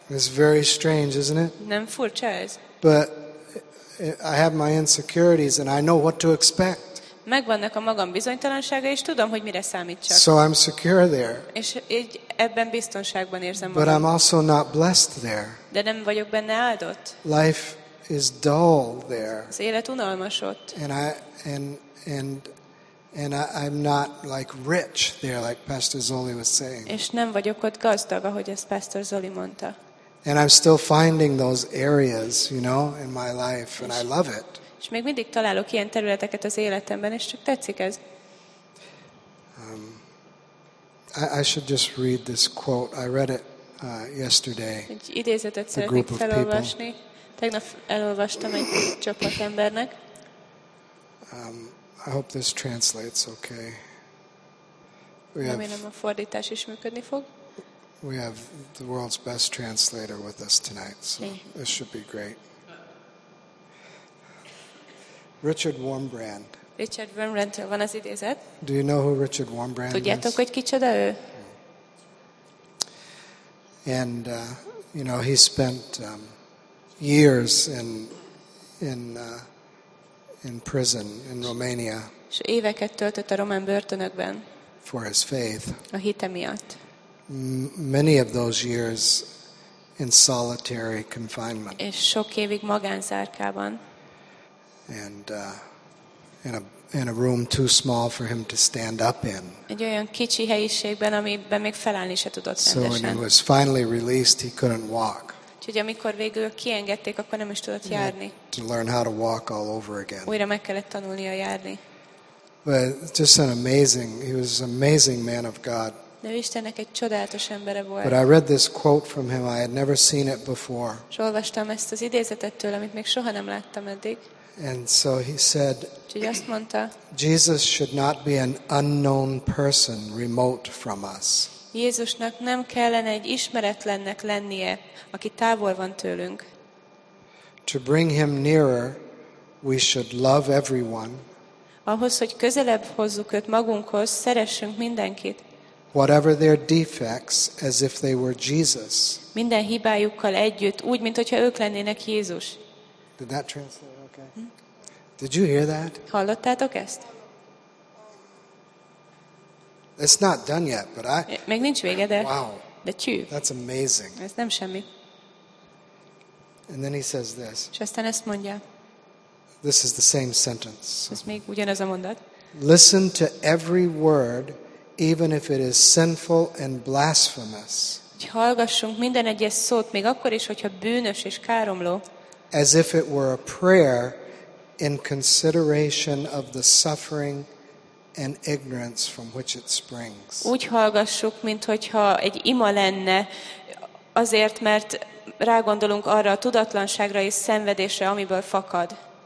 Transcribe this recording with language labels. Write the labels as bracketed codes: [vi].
[en] It's very strange, isn't it? [hu] Nem furcsa ez? [en] But I have my insecurities and I know what to expect. [hu] Megvannak a magam bizonytalanságai, és tudom, hogy mire számítsak. [en] So I'm secure there. [hu] És így ebben biztonságban érzem magam. [en] But I'm also not blessed there. [hu] De nem vagyok benne áldott. [en] Life is dull there. [hu] Az élet unalmas ott. [en] And I'm not like rich there, like Pastor Zoli was saying. [hu] És nem vagyok ott gazdag, ahogy ezt Pastor Zoli mondta. [en] And I'm still finding those areas, you know, in my life, and I love it. [hu] És még mindig találok ilyen területeket az életemben, és csak tetszik ez. [en] I should just read this quote. I read it yesterday. [hu] Egy idézetet szeretnék felolvasni. Tegnap elolvastam egy csoport embernek. [en] I hope this translates okay. [hu] Remélem, a fordítás is működni fog. [en] We have the world's best translator with us tonight, so this should be great. Richard Wurmbrand. [hu] Richard Wurmbrand, van az idézet? [en] Do you know who Richard Wurmbrand is? [hu] Tudjátok, hogy kicsoda ő? [en] And you know, he spent years in prison in Romania. [hu] És éveket töltött a román börtönökben. [en] For his faith. [hu] A hite miatt. [en] Many of those years in solitary confinement. [hu] És sok évig magánzárkában. [en] And in a room too small for him to stand up in. [hu] Egy olyan kicsi helyiségben, amiben még felállni se tudott rendesen. [en] So when he was finally released, he couldn't walk. [hu] Úgyhogy amikor végül kiengedték, akkor nem is tudott járni. [en] To learn how to walk all over again. [hu] Újra meg kellett tanulnia járni. [en] But just an amazing, he was an amazing man of God. [hu] De Istennek egy csodálatos embere volt. [en] But I read this quote from him, I had never seen it before. [hu] És olvastam ezt az idézetet tőle, amit még soha nem láttam eddig. [en] And so he said, [hu] mondta, [en] Jesus should not be an unknown person remote from us. [hu] Jézusnak nem kellene egy ismeretlennek lennie, aki távol van tőlünk. [en] To bring him nearer, we should love everyone. [hu] Ahhoz, hogy közelebb hozzuk őt magunkhoz, szeressünk mindenkit. [en] Whatever their defects, as if they were Jesus. [hu] Minden hibájukkal együtt, úgy, mintha ők lennének Jézus. [en] Did that translate? Did you hear that? [hu] Hallottátok ezt? [en] It's not done yet, but I. [hu] Még nincs vége, de. [en] Wow. De tű. That's amazing. [hu] Ez nem semmi. [en] And then he says this. [hu] És aztán ezt mondja. [en] This is the same sentence. [hu] Ez még ugyanaz a mondat. [en] Listen to every word, even if it is sinful and blasphemous. [hu] Hallgassunk minden egyes szót, még akkor is, hogyha bűnös és káromló. [en] As if it were a prayer in consideration of the suffering and ignorance from which it springs. [hu] Úgy hallgassuk, mint hogyha egy ima lenne, azért, mert rágondolunk arra a tudatlanságra és szenvedésre, amiből fakad.